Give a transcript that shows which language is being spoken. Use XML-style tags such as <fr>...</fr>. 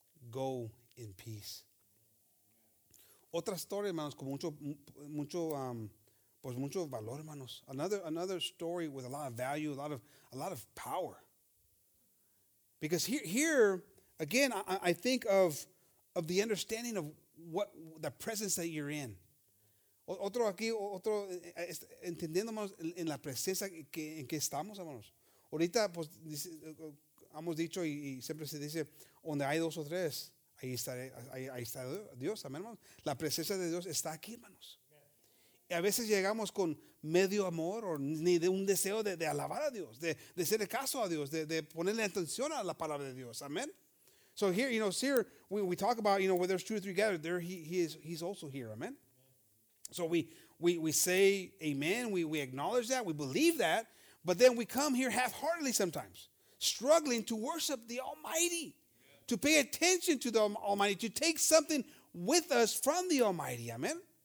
<en>Go in peace.</en> <es>Otra historia, hermanos, con mucho valor, hermanos.</es> <en>Another story with a lot of value, a lot of power. Because here again, I think of the understanding of what the presence that you're in.</en> <es>Otro aquí, otro entendiendo, hermanos, en la presencia en que estamos, hermanos. Ahorita, pues, hemos dicho y siempre se dice, donde hay dos o tres, ahí está Dios, amén, hermanos. La presencia de Dios está aquí, hermanos. Y a veces llegamos con medio amor o ni de un deseo de alabar a Dios, de hacerle caso a Dios, de ponerle atención a la palabra de Dios, amén.</es> <en>So here, you know, here we talk about, you know, where there's two or three gathered, there he's also here, amén. So we say amen, we acknowledge that, we believe that, but then we come here half-heartedly sometimes, struggling to worship the Almighty, to pay attention to the Almighty, to take something with us from the Almighty, amen?</en>